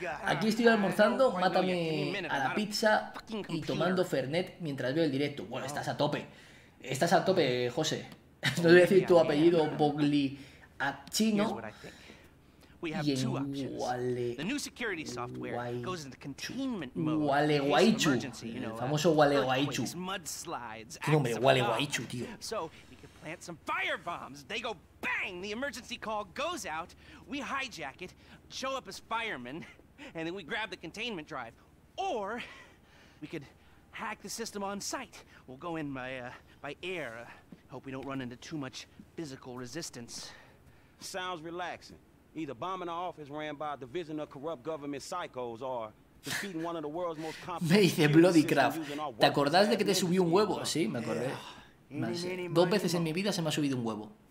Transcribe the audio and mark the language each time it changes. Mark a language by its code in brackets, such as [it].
[es] Aquí estoy almorzando, mátame a la pizza y tomando Fernet mientras veo el directo. Bueno, estás a tope. Estás a tope, José. No te voy a decir tu apellido, Bogliacino. A chino. [en] Here's what I think. We have two options. The new security software goes into containment mode. [es] Gualeguaychú, el famoso Gualeguaychú. Qué nombre, Gualeguaychú, tío. [en] So we can plant some fire bombs. They go bang. The emergency call goes out. We hijack it, show up as firemen, and then we grab the containment drive. Or we could hack the system on site. We'll go in by air. Hope we don't run into too much physical resistance. Sounds relaxing. Either bombing our office ran by a division of corrupt government psychos or defeating one of the world's most complicated. [es] Me dice Bloodycraft. ¿Te acordás de que te subí un huevo? Sí, me acordé. Dos veces en mi vida se me ha subido un huevo.